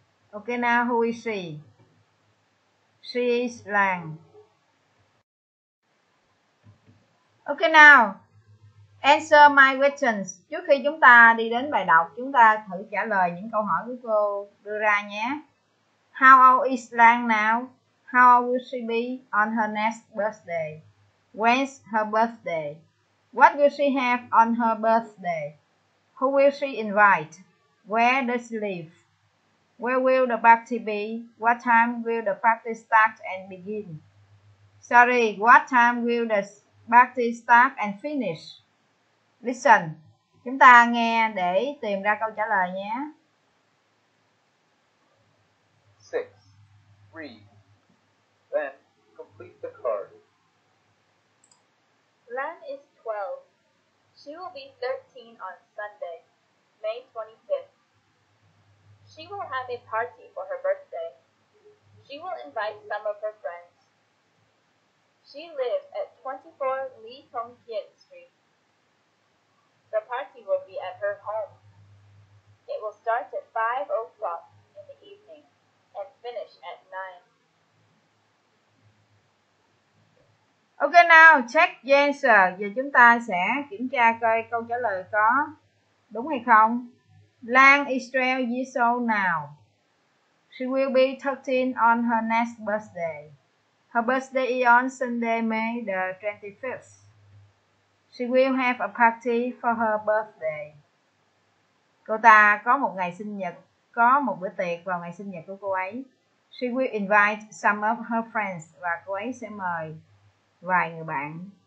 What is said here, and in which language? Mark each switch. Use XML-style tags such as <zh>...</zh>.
<en>Ok now, who is she? She is Lang. Ok nào, answer my questions.</en> <vi>Trước khi chúng ta đi đến bài đọc, chúng ta thử trả lời những câu hỏi của cô đưa ra nhé.</vi> <en>How old is Lan now? How old will she be on her next birthday? When's her birthday? What will she have on her birthday? Who will she invite? Where does she live? Where will the party be? What time will the party start and begin? Sorry, what time will the party start and finish? Listen.</en> <vi>Chúng ta nghe để tìm ra câu trả lời nhé.</vi> <en>6. Read. Then complete the card. Lan is 12. She will be 13 on Sunday, May 25th. She will have a party for her birthday. She will invite some of her friends. She lives at 24 Lee Tong Kiat Street. The party will be at her home. It will start at 5:00 in the evening and finish at 9. Ok now, check the answer.</en> <vi>Giờ chúng ta sẽ kiểm tra coi câu trả lời có đúng hay không.</vi> <en>Lan is 12 years old now. She will be 13 on her next birthday. Her birthday is on Sunday, May the 25th. She will have a party for her birthday.</en> <vi>Cô ta có một ngày sinh nhật, có một bữa tiệc vào ngày sinh nhật của cô ấy.</vi> <en>She will invite some of her friends</en> <vi>và cô ấy sẽ mời vài người bạn.</vi>